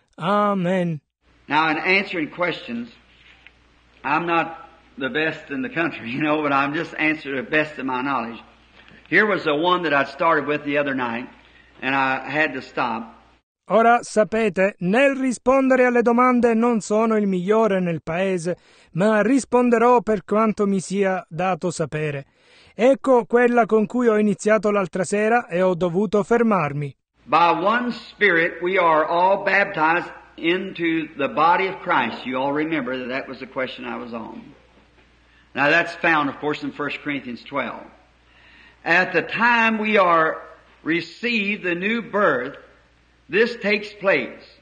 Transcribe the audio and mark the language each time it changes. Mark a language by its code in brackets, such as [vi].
[en] Amen. Now, in answering questions, I'm not the best in the country, you know, but I'm just answering the best of my knowledge. Here was the one that I started with the other night, and I had to stop. [it] Ora sapete, nel rispondere alle domande non sono il migliore nel paese, ma risponderò per quanto mi sia dato sapere. Ecco quella con cui ho iniziato l'altra sera e ho dovuto fermarmi. [en] By one Spirit we are all baptized into the body of Christ. You all remember that was the question I was on. Now that's found, of course, in 1 Corinthians 12. At the time we are received the new birth, this takes place.